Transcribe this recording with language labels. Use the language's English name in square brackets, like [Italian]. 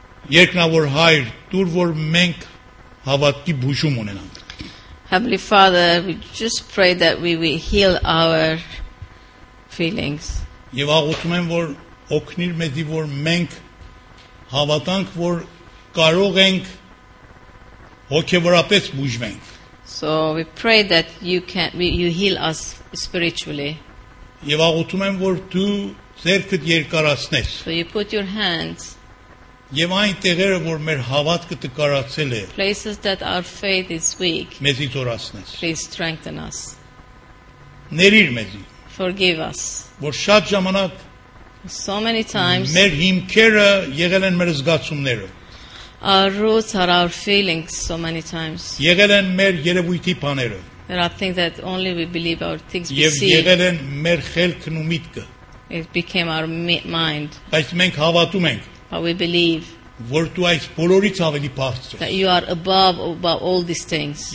[Armenian] Երկնավոր Հայր, դուր որ մենք հավատքի բուժում ունենանք. [English] Heavenly Father, we just pray that we will heal our feelings. [Armenian] Եվ աղոթում եմ, որ օգնիր մեզի, որ մենք հավատանք, որ կարող ենք հոգեորապես բուժվենք. [English] So we pray that you heal us spiritually. [Armenian] Եվ աղոթում եմ, որ դու ձեռքդ երկարացնես. [English] So you put your hands. [Armenian] Եվ այն տեղերը, որ մեր հավատքը տկարացել է, [English] places that our faith is weak, [Armenian] մեզի զորացնես. [English] Please strengthen us. [Armenian] Ներիր մեզի. [English] Forgive us. [Armenian] Որ շատ ժամանակ, [English] so many times, [Armenian] մեր հիմքերը եղել են մեր զգացումները. [English] Our roots are our feelings so many times. [Armenian] Եղել են մեր երևույթի բաները. [English] There are things that only we believe our things we see. [Armenian] Եվ եղել են մեր խելքն ու միտքը. [English] It became our mind. [Armenian] Բայց մենք հավատում ենք. [English] But we believe that you are above all these things.